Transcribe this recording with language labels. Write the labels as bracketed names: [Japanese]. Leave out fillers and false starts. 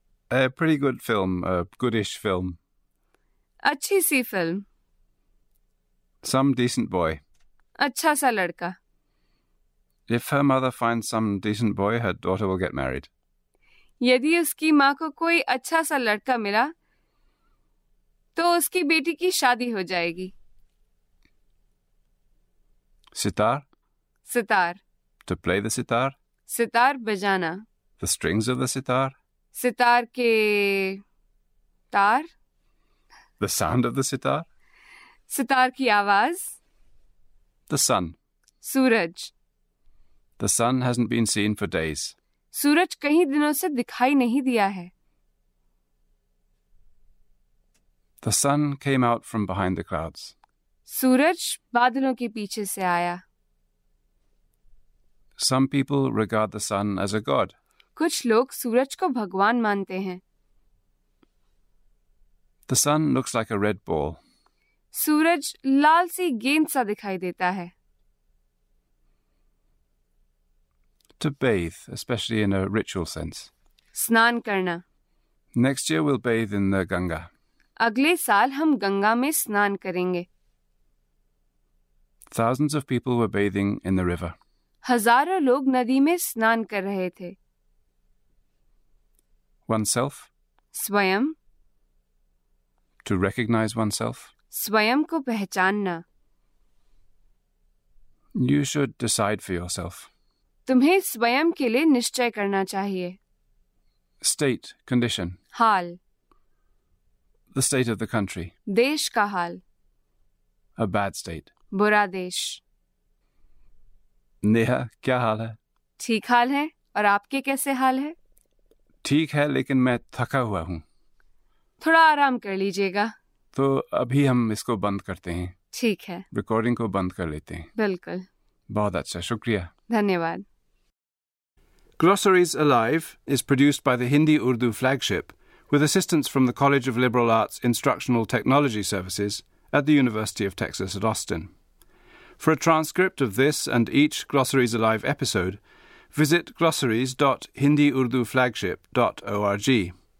[English] A pretty good film, a goodish film. [Hindi] अच्छी सी film. [English] Some decent boy. [Hindi] अच्छा सा लड़का. [English] If her mother finds some decent boy, her daughter will get married. [Hindi] यदि उसकी माँ को कोई अच्छा सा लड़का मिला, तो उसकी बेटी की शादी हो जाएगी. Sitar. Sitar. [English] To play the sitar. [Hindi] Sitar बजाना. [English] The strings of the sitar. [Hindi] Sitar के तार. [English] The sound of the sitar. [Hindi] Sitar की आवाज. [English] The sun. [Hindi] Suraj. [English] The sun hasn't been seen for days. [Hindi] सूरज कई दिनों से दिखाई नहीं दिया है. [English] The sun came out from behind the clouds. [Hindi] सूरज बादलों के पीछे से आया। [English] Some people regard the sun as a god. [Hindi] कुछ लोग सूरज को भगवान मानते हैं। [English] The sun looks like a red ball. [Hindi] Suraj Lal सी गेंद सा दिखाई देता है। [English] To bathe, especially in a ritual sense. [Hindi] स्नान करना। [English] Next year we'll bathe in the Ganga. [Hindi] अगले साल हम गंगा में स्नान करेंगे। [English] Thousands of people were bathing in the river. [Hindi] हजारों लोग नदी में स्नान कर रहे थे। [English] Oneself. [Hindi] स्वयं। [English] To recognize oneself. [Hindi] स्वयं को पहचानना। [English] You should decide for yourself. [Hindi] तुम्हें स्वयं के लिए निश्चय करना चाहिए। [English] State, condition. [Hindi] Hall. [English] The state of the country. [Hindi] देश का हाल। [English] A bad state. [Hindi] बुरा देश। नेहा, क्या हाल है? ठीक हाल है, और आपके कैसे हाल है? ठीक है, लेकिन मैं थका हुआ हूँ। थोड़ा आराम कर लीजिएगा। तो अभी हम इसको बंद करते हैं। ठीक है। रिकॉर्डिंग को बंद कर लेते हैं। बिल्कुल। बहुत अच्छा, शुक्रिया। धन्यवाद। [English] Glossaries Alive is produced by the Hindi Urdu flagship with assistance from the College of Liberal Arts Instructional Technology Services at the University of Texas at Austin. For a transcript of this and each Glossaries Alive episode, visit glossaries.hindiurduflagship.org.